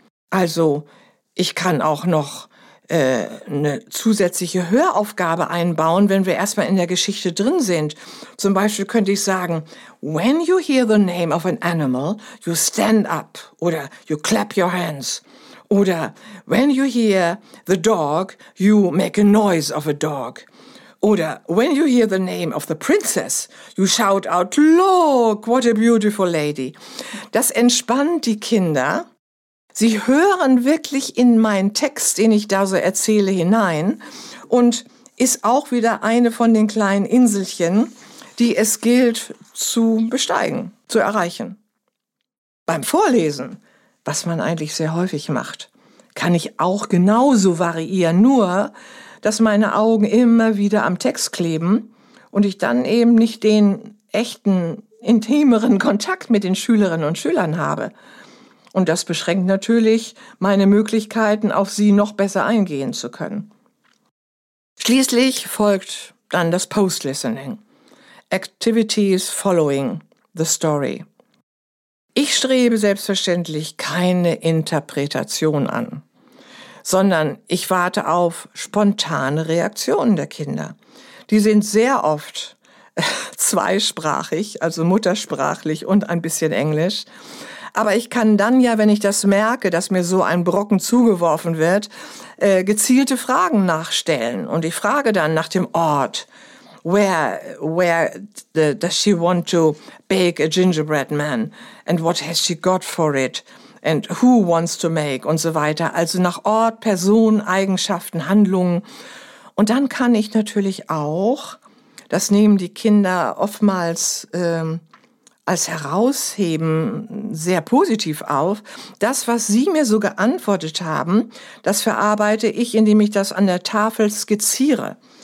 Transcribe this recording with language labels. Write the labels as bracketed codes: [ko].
[de] Also, ich kann auch noch eine zusätzliche Höraufgabe einbauen, wenn wir erstmal in der Geschichte drin sind. Zum Beispiel könnte ich sagen, [en] when you hear the name of an animal, you stand up [de] oder [en] you clap your hands. [de] Oder [en] when you hear the dog, you make a noise of a dog. [de] Oder [en] when you hear the name of the princess, you shout out, look, what a beautiful lady. [de] Das entspannt die Kinder. Sie hören wirklich in meinen Text, den ich da so erzähle, hinein und ist auch wieder eine von den kleinen Inselchen, die es gilt zu besteigen, zu erreichen. Beim Vorlesen, was man eigentlich sehr häufig macht, kann ich auch genauso variieren, nur dass meine Augen immer wieder am Text kleben und ich dann eben nicht den echten, intimeren Kontakt mit den Schülerinnen und Schülern habe. Und das beschränkt natürlich meine Möglichkeiten, auf sie noch besser eingehen zu können. Schließlich folgt dann das Post-Listening. [en] Activities following the story. [de] Ich strebe selbstverständlich keine Interpretation an, sondern ich warte auf spontane Reaktionen der Kinder. Die sind sehr oft zweisprachig, also muttersprachlich und ein bisschen Englisch. Aber ich kann dann ja, wenn ich das merke, dass mir so ein Brocken zugeworfen wird, gezielte Fragen nachstellen. Und ich frage dann nach dem Ort. [en] Where does she want to bake a gingerbread man? And what has she got for it? and who wants to make [de] und so weiter. Also nach Ort, Person, Eigenschaften, Handlungen. Und dann kann ich natürlich auch, das nehmen die Kinder oftmals als Herausheben sehr positiv auf, das, was sie mir so geantwortet haben, das verarbeite ich, indem ich das an der Tafel skizziere.